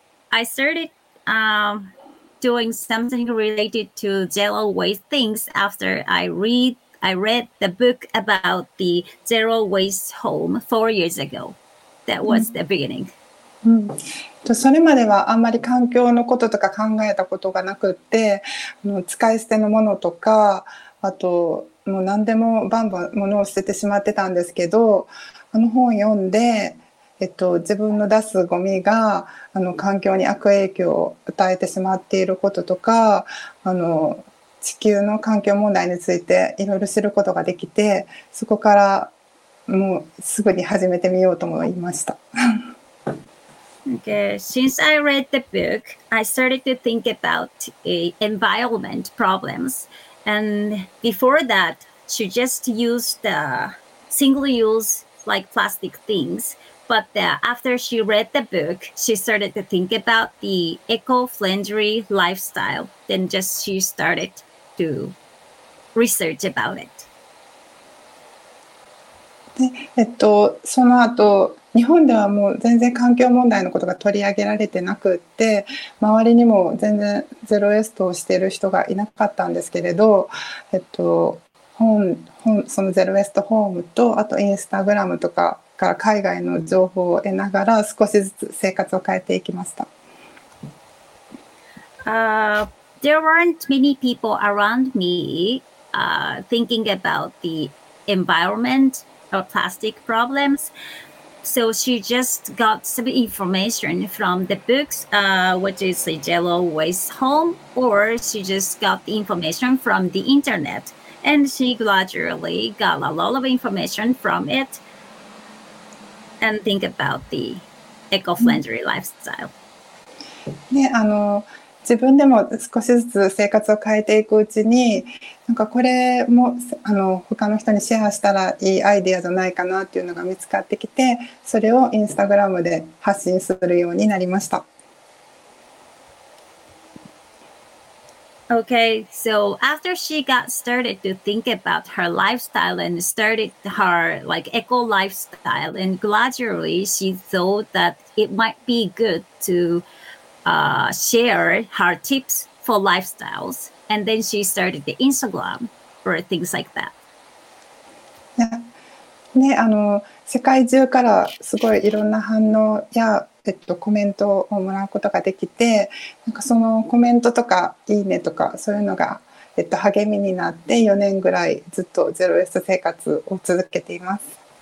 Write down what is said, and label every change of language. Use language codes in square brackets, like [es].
[en] I started doing something related to zero waste things after I read the book about the zero waste home 4 years ago. That was the beginning. [ja] それまではあんまり環境のこととか考えたことがなくて、使い捨てのものとか、あと、もう何でもバンバン物を捨ててしまってたんですけど、あの本を読んで、自分の出すゴミが環境に悪影響を与えてしまっていることとか、地球の環境問題についていろいろ知ることができて、そこからもうすぐに始めてみようと思いました。 [en] Okay. Since I read the book, I started to think about environment problems. And before that, she just used the single-use like plastic things. But after she read the book, she started to think about the eco-friendly lifestyle. Then just she started to research about it. [ja] その後日本ではもう全然環境問題のことが取り上げられてなくって、周りにも全然ゼロウェストをしている人がいなかったんですけれど、そのゼロウェストホームと、あとインスタグラムとかから海外の情報を得ながら少しずつ生活を変えていきました。 [en] There weren't many people around me thinking about the environment or plastic problems. So she just got some information from the books, which is the Zero Waste Home, or she just got the information from the internet. And she gradually got a lot of information from it and think about the eco-friendly lifestyle. [ja] ね、自分でも少しずつ生活を変えていくうちに、なんかこれも他の人にシェアしたらいいアイデアじゃないかなっていうのが見つかってきて、それをインスタグラムで発信するようになりました。 [en] Okay, so after she got started to think about her lifestyle and started her like eco lifestyle, and gradually she thought that it might be good to share her tips for lifestyles. And then she started the Instagram or things like that. [ja] ね、世界中からすごいいろんな反応や、コメントをもらうことができて、なんかそのコメントとかいいねとかそういうのが、励みになって、4年ぐらいずっとゼロウェスト生活を続けています。